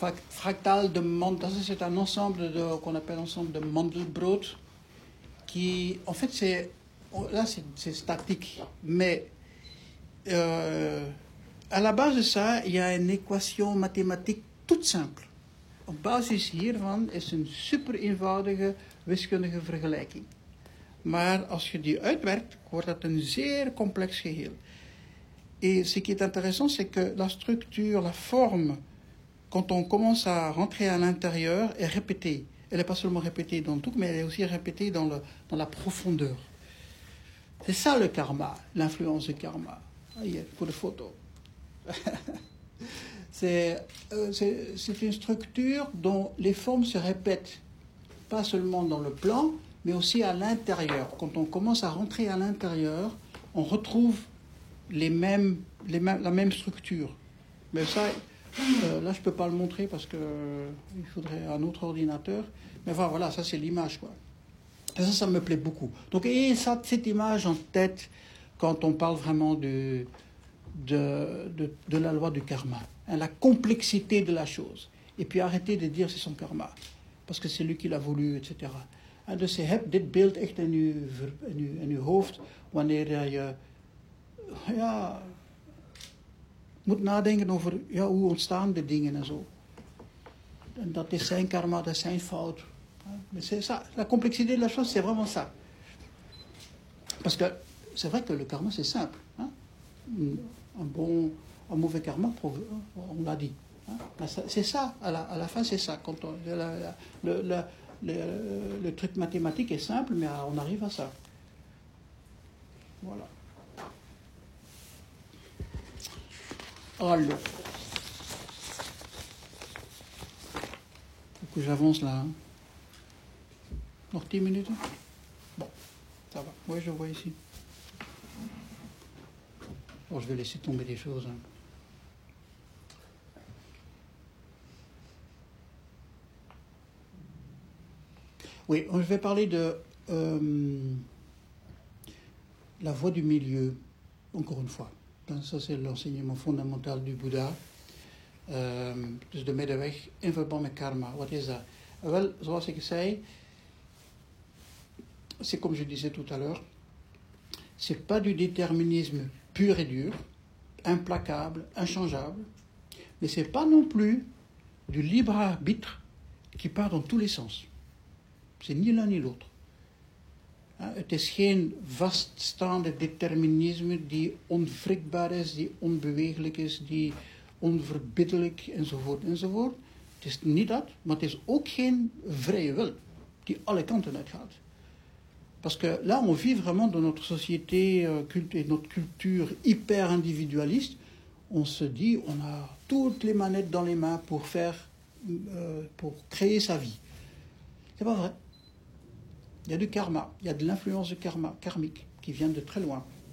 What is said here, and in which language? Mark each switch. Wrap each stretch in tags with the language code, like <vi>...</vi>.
<fr>Fractal de mandala, c'est un ensemble de, qu'on appelle ensemble de Mandelbrot, qui, en fait, c'est là, c'est statique, mais à la base de ça, il y a une équation mathématique toute simple.</fr> <nl>Op basis hiervan is een super eenvoudige wiskundige vergelijking. Maar als je die uitwerkt, wordt dat een zeer complex geheel.</nl> <fr>Et ce qui est intéressant, c'est que la structure, la forme, quand on commence à rentrer à l'intérieur, est répétée. Elle n'est pas seulement répétée dans le tout, mais elle est aussi répétée dans la profondeur. C'est ça le karma, l'influence du karma. Allez, pour la photo. c'est une structure dont les formes se répètent, pas seulement dans le plan, mais aussi à l'intérieur. Quand on commence à rentrer à l'intérieur, on retrouve la même structure. Mais ça, là, je peux pas le montrer parce que il faudrait un autre ordinateur. Mais voilà, ça c'est l'image, quoi. Et ça me plaît beaucoup. Donc, et ça, cette image en tête, quand on parle vraiment de la loi du karma, hein, la complexité de la chose. Et puis arrêter de dire c'est son karma, parce que c'est lui qui l'a voulu, etc.</fr> <nl>En dus je hebt dit beeld echt in uw hoofd wanneer je ja, moet nadenken over ja, hoe ontstaan de dingen en zo. En dat is zijn karma, dat is zijn fout.</nl> <fr>Mais c'est ça, la complexité de la chose, c'est vraiment ça. Parce que c'est vrai que le karma, c'est simple. un mauvais karma, on l'a dit. C'est ça, à la fin, c'est ça. Quand on, le truc mathématique est simple, mais on arrive à ça. Voilà. Alors. Que j'avance là. Encore 10 minutes. Bon, ça va. Oui, je vois ici. Bon, je vais laisser tomber les choses. Hein. Oui, je vais parler de la voie du milieu, encore une fois. Ça, c'est l'enseignement fondamental du Bouddha.</fr> <nl>Dus de middenweg in verband met karma. Wat is dat? Wel, zoals ik zei,</nl> <fr>c'est comme je disais tout à l'heure, c'est pas du déterminisme pur et dur, implacable, inchangeable, mais c'est pas non plus du libre arbitre qui part dans tous les sens. C'est ni l'un ni l'autre.</fr> <nl>Het is geen vaststaande déterminisme die onwrikbaar is, die onbeweeglijk is, die onverbiddelijk, enzovoort, enzovoort. Het is niet dat, maar het is ook geen vrije wil die alle kanten uitgaat.</nl> <fr>Parce que là, on vit vraiment dans notre société et notre culture hyper individualiste. On se dit, on a toutes les manettes dans les mains pour faire, pour créer sa vie. C'est pas vrai. Il y a du karma, il y a de l'influence de karma, karmique, qui vient de très loin.</fr>